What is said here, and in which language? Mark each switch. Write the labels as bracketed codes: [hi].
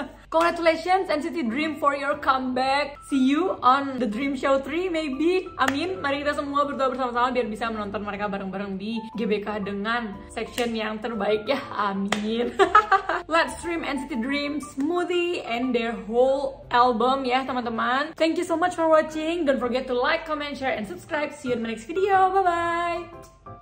[en] Congratulations NCT Dream for your comeback. See you on the Dream Show 3 maybe. [id] Amin. Mari kita semua berdoa bersama-sama biar bisa menonton mereka bareng-bareng di GBK dengan section yang terbaik ya. Amin. [en] Let's stream NCT Dream Smoothie and their whole album [id] ya teman-teman. [en] Thank you so much for watching. Don't forget to like, comment, share, and subscribe. See you in my next video. Bye-bye.